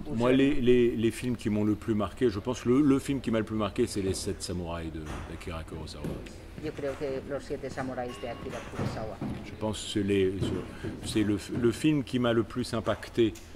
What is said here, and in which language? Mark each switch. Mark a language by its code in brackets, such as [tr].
[fr] Moi, les films qui m'ont le plus marqué, je pense que le film qui m'a le plus marqué, c'est Les Sept Samouraïs d'Akira Kurosawa. [es] Yo creo que Los Siete Samuráis de Akira Kurosawa. [fr] Je pense que c'est le film qui m'a le plus impacté.